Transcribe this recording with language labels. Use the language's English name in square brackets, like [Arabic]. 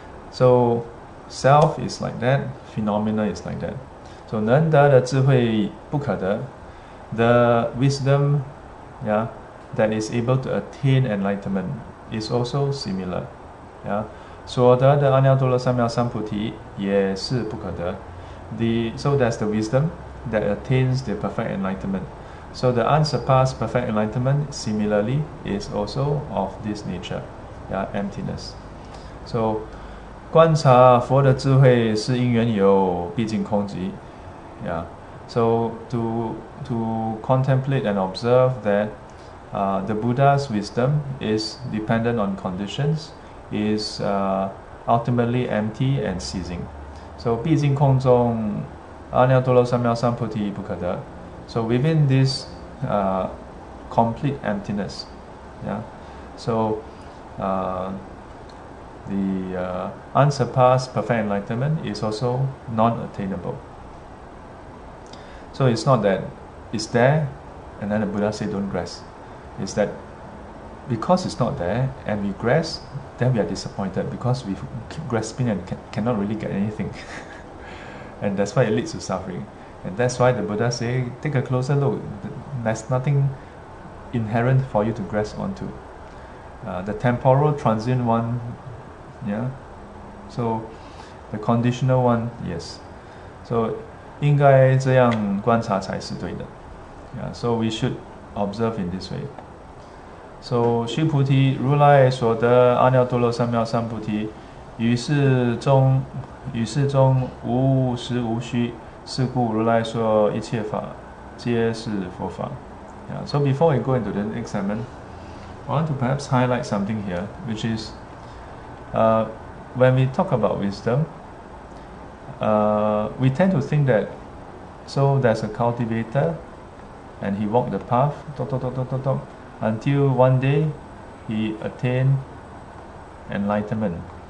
[English] So self is like that, phenomena is like that. So [Chinese] 能得的智慧不可得, [English] the wisdom, that is able to attain enlightenment is also similar. [Chinese] 所得的阿耨多罗三藐三菩提也是不可得. [English] So that's the wisdom that attains the perfect enlightenment. So the unsurpassed perfect enlightenment similarly is also of this nature, emptiness. [Chinese] So 观察佛的智慧是因缘有，毕竟空寂。 [English] So to contemplate and observe that the Buddha's wisdom is dependent on conditions, is ultimately empty and ceasing. [Chinese] So 毕竟空中阿耨多罗三藐三菩提不可得。 [English] So within this complete emptiness, so the unsurpassed perfect enlightenment is also non-attainable. So it's not that it's there and then the Buddha say don't grasp. It's that because it's not there and we grasp, then we are disappointed because we keep grasping and cannot really get anything. And that's why it leads to suffering. And that's why the Buddha say, take a closer look. There's nothing inherent for you to grasp onto. The temporal transient one, So The conditional one, yes. So, [Chinese] 应该这样观察才是对的. [English] Yeah, so we should observe in this way. [Chinese] So, 须菩提，如来所得阿耨多罗三藐三菩提，于是中无实无虚，是故如来说一切法皆是佛法. [English] Yeah, so before we go into the next segment, I want to perhaps highlight something here, which is when we talk about wisdom, we tend to think that so there's a cultivator and he walked the path talk, until one day he attained enlightenment.